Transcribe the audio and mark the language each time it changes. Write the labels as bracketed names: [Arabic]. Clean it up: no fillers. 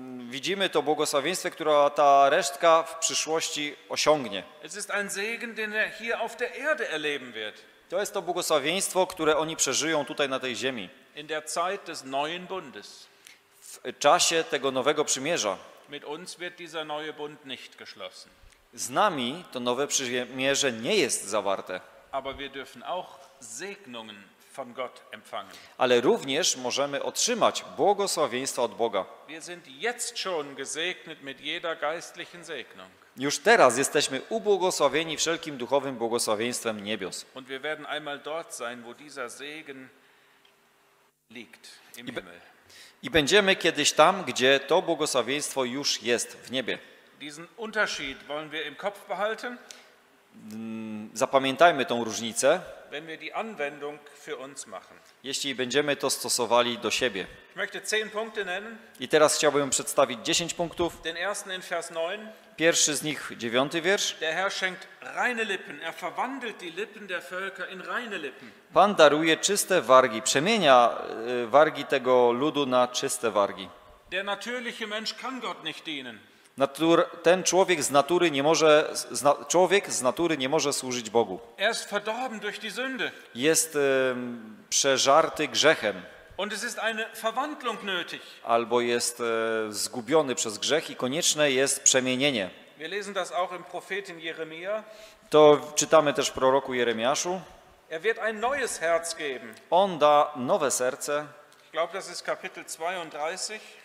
[Polish] Widzimy to błogosławieństwo, które ta resztka w przyszłości osiągnie. [German] Es ist ein Segen, den er hier auf der Erde erleben wird. [Polish] To jest to błogosławieństwo, które oni przeżyją tutaj na tej ziemi. [German] In der Zeit des neuen Bundes. [Polish] W czasie tego nowego przymierza. [German] Mit uns wird dieser neue Bund nicht geschlossen. [Polish] Z nami to nowe przymierze nie jest zawarte. [German] Aber wir dürfen auch Segnungen von Gott empfangen. [Polish] Ale również możemy otrzymać błogosławieństwa od Boga. [German] Wir sind jetzt schon gesegnet mit jeder geistlichen Segnung. [Polish] Już teraz jesteśmy ubłogosławieni wszelkim duchowym błogosławieństwem niebios. [German] Und wir werden einmal dort sein, wo dieser Segen liegt im Himmel. [Polish] I będziemy kiedyś tam, gdzie to błogosławieństwo już jest w niebie. [German] Diesen Unterschied wollen wir im Kopf behalten. [Polish] Zapamiętajmy tą różnicę. [German] Wenn wir die Anwendung für uns machen. [Polish] Jeśli będziemy to stosowali do siebie. [German] Ich möchte 10 Punkte nennen. [Polish] I teraz chciałbym przedstawić 10 punktów. [German] Den ersten in Vers 9. [Polish] Pierwszy z nich, 9 wiersz. [German] Der Herr schenkt reine Lippen. Er verwandelt die Lippen der Völker in reine Lippen. [Polish] Pan daruje czyste wargi. Przemienia wargi tego ludu na czyste wargi. [German] Der natürliche Mensch kann Gott nicht dienen. [Polish] Człowiek z natury nie może służyć Bogu. [German] Er ist verdorben durch die Sünde. [Polish] Jest przeżarty grzechem. [German] Und es ist eine Verwandlung nötig. [Polish] Albo jest zgubiony przez grzech i konieczne jest przemienienie. [German] Wir lesen das auch im Propheten Jeremia. [Polish] To czytamy też w proroku Jeremiaszu. [German] Er wird ein neues Herz geben. [Polish] On da nowe serce. [German] Ich glaube, das ist Kapitel 32.